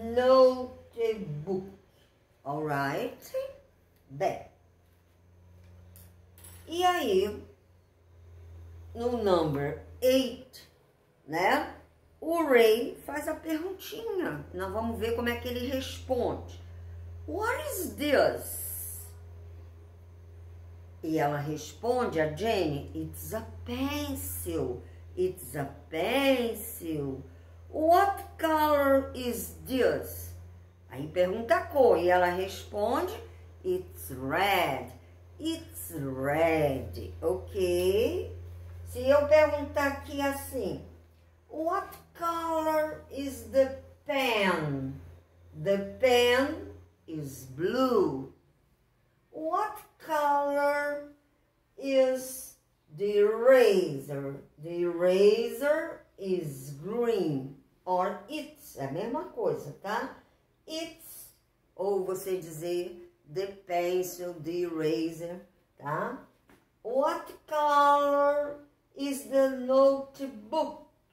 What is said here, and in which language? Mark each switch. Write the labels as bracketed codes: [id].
[en] Notebook. Alright? Bem. [pt] E aí, no [en] number 8, [pt] né? O Ray faz a perguntinha. Nós vamos ver como é que ele responde. [en] What is this? [pt] E ela responde a Jenny, [en] it's a pencil. It's a pencil. What color is this? [pt] Aí pergunta a cor e ela responde, [en] it's red. It's red. Ok? [pt] Se eu perguntar aqui assim, [en] what color is the pen? The pen is blue. What color is the eraser? The eraser is green. Or it's, [pt] é a mesma coisa, tá? [en] It's, [pt] ou você dizer [en] the pencil, the eraser, tá? What color is the notebook?